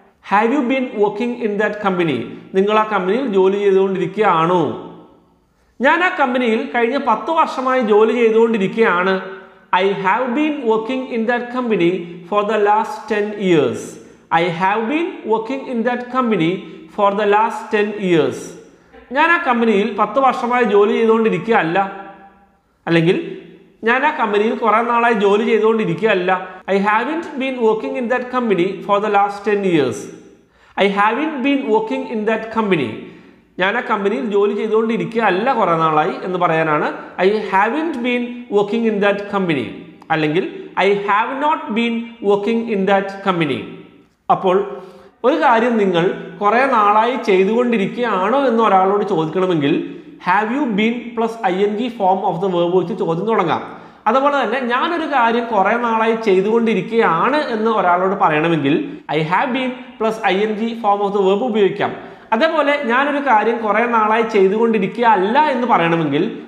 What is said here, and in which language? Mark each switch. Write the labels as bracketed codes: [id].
[en] have you been working in that company, [ml] നിങ്ങൾ ആ കമ്പനിയിൽ ജോലി ചെയ്തുകൊണ്ടിരിക്കുകയാണോ? ഞാൻ ആ കമ്പനിയിൽ കഴിഞ്ഞ 10 വർഷമായി ജോലി ചെയ്തുകൊണ്ടിരിക്കുകയാണ്. [en] I have been working in that company for the last 10 years. I have been working in that company for the last 10 years. [ml] ഞാൻ ആ കമ്പനിയിൽ 10 വർഷമായി ജോലി ചെയ്തുകൊണ്ടിരിക്കുകയല്ല, അല്ലെങ്കിൽ ഞാൻ ആ കമ്പനിയിൽ കുറേ നാളായി ജോലി ചെയ്തുകൊണ്ടിരിക്കുകയല്ല. [en] I haven't been working in that company for the last 10 years. I haven't been working in that company. [ml] ഞാൻ ആ കമ്പനിയിൽ ജോലി ചെയ്തുകൊണ്ടിരിക്കുകയല്ല കുറേ നാളായി എന്ന് പറയാനാണ് [en] I haven't been working in that company, അല്ലെങ്കിൽ I have not been working in that company. [ml] അപ്പോൾ ഒരു കാര്യം നിങ്ങൾ കുറേ നാളായി ചെയ്തുകൊണ്ടിരിക്കുകയാണോ എന്ന് ഒരാളോട് ചോദിക്കണമെങ്കിൽ have you been plus I N G form of the verb വെച്ച് ചോദ്യം തുടങ്ങാം. അതുപോലെ തന്നെ ഞാനൊരു കാര്യം കുറേ നാളായി ചെയ്തുകൊണ്ടിരിക്കുകയാണ് എന്ന് ഒരാളോട് പറയണമെങ്കിൽ I have been plus I N G form of the verb ഉപയോഗിക്കാം. അതേപോലെ ഞാനൊരു കാര്യം കുറേ നാളായി ചെയ്തുകൊണ്ടിരിക്കുക അല്ല എന്ന് പറയണമെങ്കിൽ